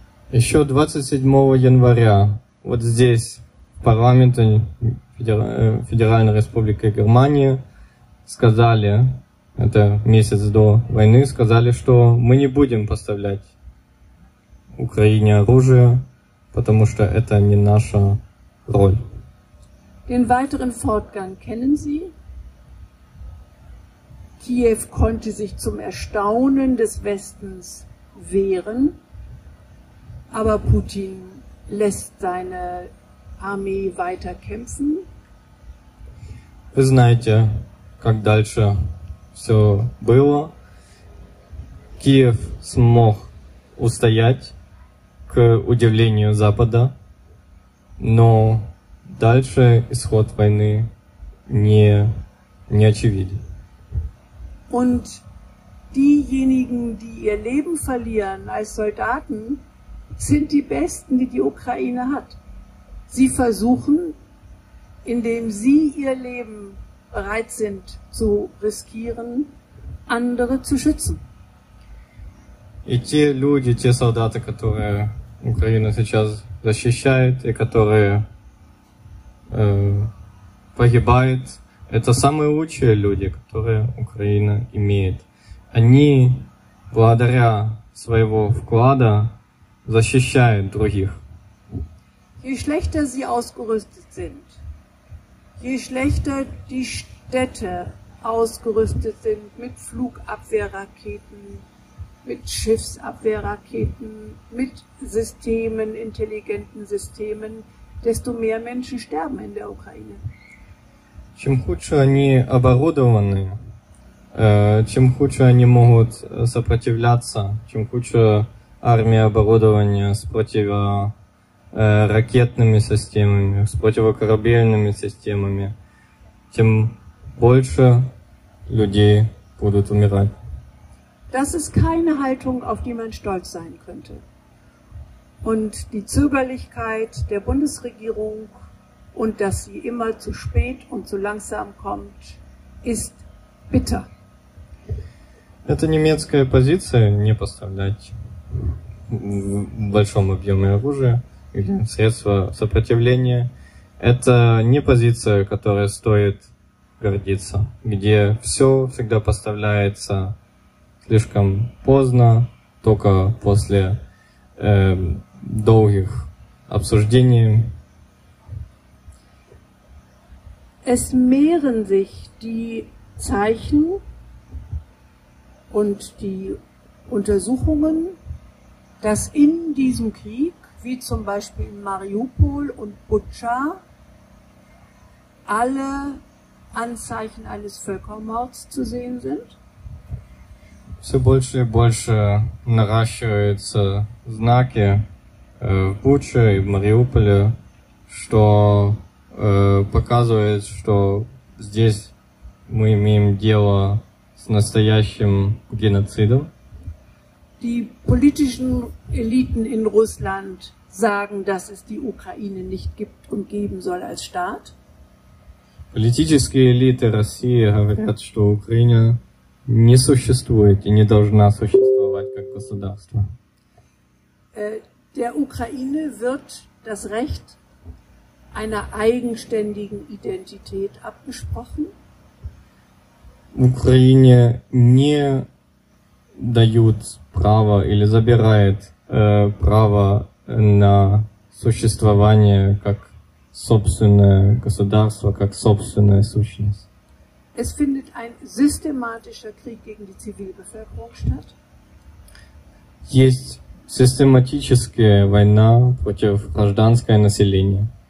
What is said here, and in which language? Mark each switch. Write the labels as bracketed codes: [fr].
[ru] Еще 27 января вот здесь в парламенте Федеральной Республики Германии сказали, это месяц до войны, сказали, что мы не будем поставлять Украине оружие, потому что это не наша роль. [de] Den weiteren Fortgang kennen Sie. Kiew konnte sich zum Erstaunen des Westens wehren, aber Putin lässt seine Armee weiter kämpfen. [ru] Вы знаете, как дальше все было. Киев смог устоять, к удивлению Запада, но дальше исход войны не очевиден. [de] Und diejenigen, die ihr Leben verlieren als Soldaten, sind die Besten, die die Ukraine hat. Sie versuchen, indem sie ihr Leben bereit sind zu riskieren, andere zu schützen. [ru] И те люди, те солдаты, которые Украина сейчас защищает и которые погибают, это самые лучшие люди, которые Украина имеет. Они, благодаря своего вклада, защищают других. [de] Je schlechter sie ausgerüstet sind, je schlechter die Städte ausgerüstet sind mit Flugabwehrraketen, mit Schiffsabwehrraketen, mit Systemen, intelligenten Systemen, desto mehr Menschen sterben in der Ukraine. [ru] Чем хуже они оборудованы, чем хуже они могут сопротивляться, чем хуже армия оборудования с противоракетными системами, с противокорабельными системами, тем больше людей будут умирать. [de] Das ist keine Haltung, auf die man stolz sein könnte. Und die Zögerlichkeit der Bundesregierung und dass sie immer zu spät und zu langsam kommt, ist bitter. [ru] Это немецкая позиция не поставлять в большом объеме оружия или средства сопротивления. Это не позиция, которая стоит гордиться, где все всегда поставляется слишком поздно, только после долгих обсуждений. [de] Es mehren sich die Zeichen und die Untersuchungen, dass in diesem Krieg, wie zum Beispiel in Mariupol und Butscha, alle Anzeichen eines Völkermords zu sehen sind? [ru] все больше и больше наращиваются знаки в Буче и в Мариуполе, что показывает, что здесь мы имеем дело с настоящим геноцидом. [de] Die politischen Eliten in Russland sagen, dass es die Ukraine nicht gibt und geben soll als Staat. [ru] Политические элиты России говорят, что Украина не существует и не должна существовать как государство. [de] Der Ukraine wird das Recht einer eigenständigen Identität abgesprochen. [ru] Украине не дают право или забирает право на существование как собственное государство, как собственная сущность. [de] Es findet ein systematischer Krieg gegen die Zivilbevölkerung statt. [ru] Есть систематическая война против гражданское население.